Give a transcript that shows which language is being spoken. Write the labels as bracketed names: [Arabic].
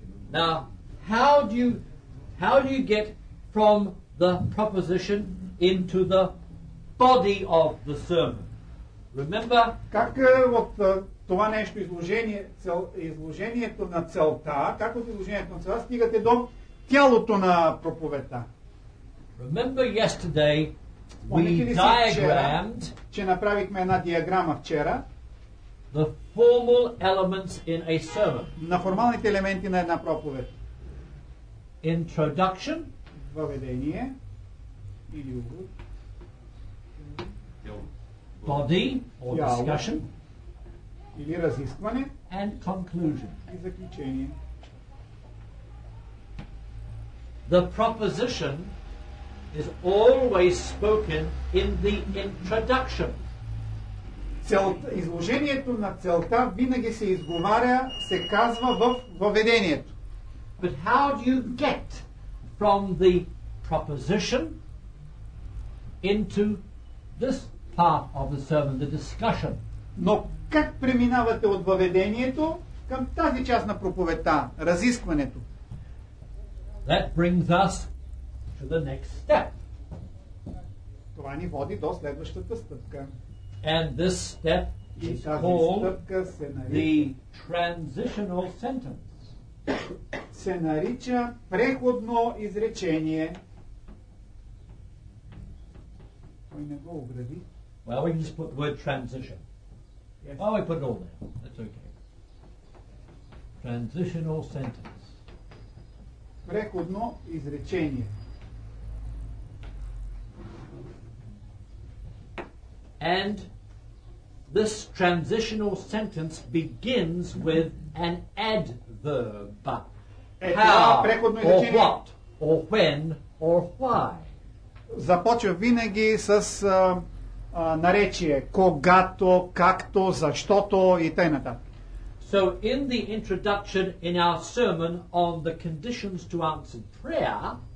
[English] Now, how do you get from the proposition into the body of the sermon? Remember? [Bulgarian] Как вот това нещо изложението на целта, как от изложението на целта стигате до тялото на проповедта? [English] Remember yesterday we diagrammed, [Bulgarian] че направихме една диаграма вчера, [English] the formal elements in a sermon. [Bulgarian] На формалните елементи на една проповед. [English] Introduction, [Bulgarian] въведение, или [English] body or discussion, [Bulgarian] или разискване, [English] and conclusion, [Bulgarian] и заключение. [English] The proposition is always spoken in the introduction. [Bulgarian] Изложението на целта винаги се изговаря, се казва в въведението. [English] But how do you get from the proposition into this part of the sermon, the discussion? [Bulgarian] Но как преминавате от въведението към тази част на проповедта, разискването? [English] That brings us to the next step. [Bulgarian] Това ни води до следващата стъпка. [English] And this step is called the transitional sentence. [Bulgarian] Се нарича преходно изречение. Кой не го огради? [English] Well, we can just put the word transition. Yes. Well, we put it all there. That's okay. Transitional sentence. [Bulgarian] Преходно изречение. [English] And this transitional sentence begins with an adverb. How, or what, or when, or why. [Bulgarian] Започва винаги с наречие. Когато, както, защото и т.н. [English] So in the introduction in our sermon on the conditions to answer prayer,